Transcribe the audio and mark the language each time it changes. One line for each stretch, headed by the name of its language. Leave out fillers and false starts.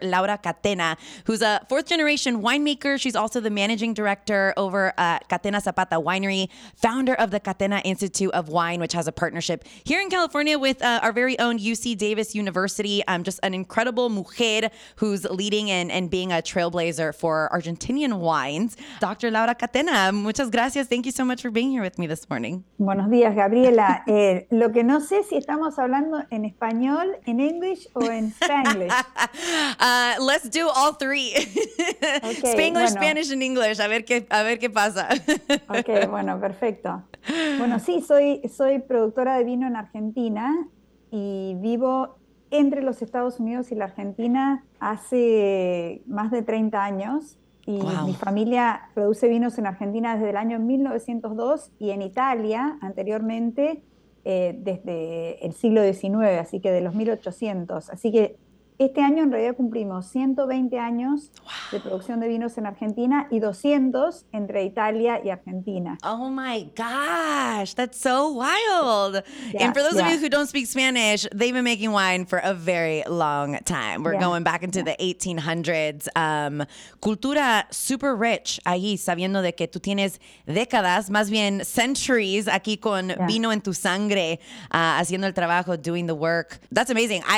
English: Laura Catena, who's a fourth-generation winemaker. She's also the managing director over at Catena Zapata Winery, founder of the Catena Institute of Wine, which has a partnership here in California with our very own UC Davis University. Just an incredible mujer who's leading in and being a trailblazer for Argentinian wines. Dr. Laura Catena,
Spanish: muchas gracias.
English: Thank you so much for being here with me this morning.
Spanish: Buenos días, Gabriela. Lo que no sé si estamos hablando en español, en English, o en Spanglish.
English: Let's do all three. Okay, Spanglish,
Spanish: bueno.
English: Spanish, and English.
Spanish: A ver qué pasa.
English: Okay,
Spanish: bueno, perfecto. Bueno, sí, soy productora de vino en Argentina y vivo entre los Estados Unidos y la Argentina hace más de 30 años. Y wow. Mi familia produce vinos en Argentina desde el año 1902 y en Italia anteriormente desde el siglo XIX, así que de los 1800. Así que este año en realidad cumplimos 120 años de producción de vinos en Argentina y 200 entre Italia y Argentina.
English: Oh my gosh, that's so wild. Yeah, and for those of you who don't speak Spanish, they've been making wine for a very long time. We're going back into the 1800s.
Spanish: Cultura
English: super rich
Spanish: ahí, sabiendo de que tú tienes décadas, más bien
English: centuries
Spanish: aquí con vino en tu sangre, haciendo el trabajo,
English: doing the work. That's amazing.